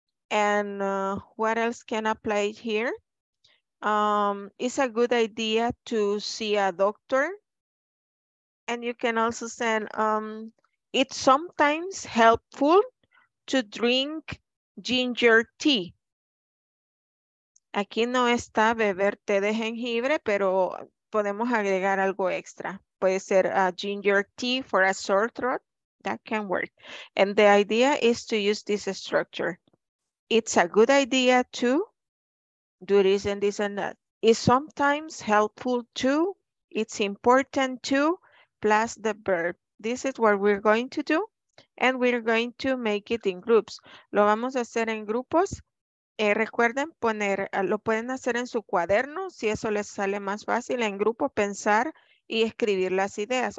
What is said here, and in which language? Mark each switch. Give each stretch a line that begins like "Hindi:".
English: And what else can apply here? It's a good idea to see a doctor. And you can also say, it's sometimes helpful to drink ginger tea.
Spanish: Aquí no está beber té de jengibre, pero podemos agregar algo extra. Puede ser
English: ginger tea for a sore throat. That can work. And the idea is to use this structure. It's a good idea to do this and this and that. It's sometimes helpful to, it's important to, plus the verb. This is what we're going to do. And we're going to make it in groups.
Spanish: Lo vamos a hacer en grupos. Recuerden poner, lo pueden hacer en su cuaderno, si eso les sale más fácil, en grupo pensar y escribir las ideas.